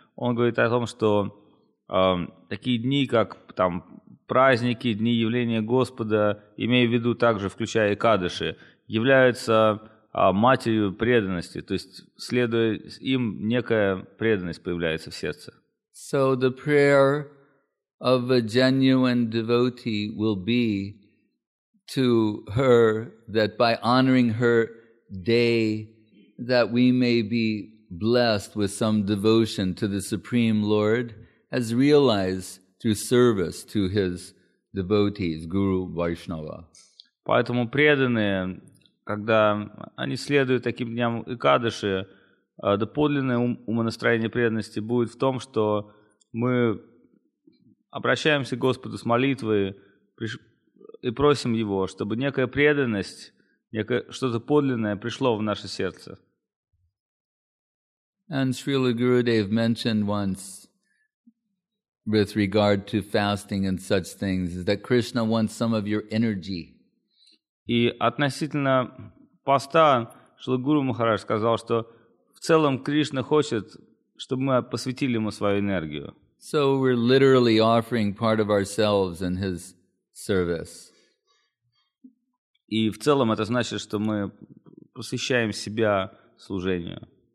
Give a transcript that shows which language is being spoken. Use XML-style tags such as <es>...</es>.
<ru>Он говорит о том, что такие дни, как там праздники, дни явления Господа, имея в виду также, включая Экадаши, являются матерью преданности. То есть, следуя им, некая преданность появляется в сердце.</ru> <en>So the prayer of a genuine devotee will be to her that by honoring her day that we may be blessed with some devotion to the Supreme Lord has realized through service to his devotees, Guru Vaishnava.</en> <ru>Поэтому преданные, когда они следуют таким дням Экадаши, доподлинное умонастроение преданности будет в том, что мы обращаемся к Господу с молитвой и просим Его, чтобы некая преданность, некое, что-то подлинное пришло в наше сердце.</ru> <en>And Srila Gurudev mentioned once with regard to fasting and such things is that Krishna wants some of your energy.</en> <ru>И относительно поста Шрила Гуру Махарадж сказал, что в целом Кришна хочет, чтобы мы посвятили ему свою энергию.</ru> <en>So we're literally offering part of ourselves in his service.</en> <ru>И в целом это значит, что мы посвящаем себя служению.</ru>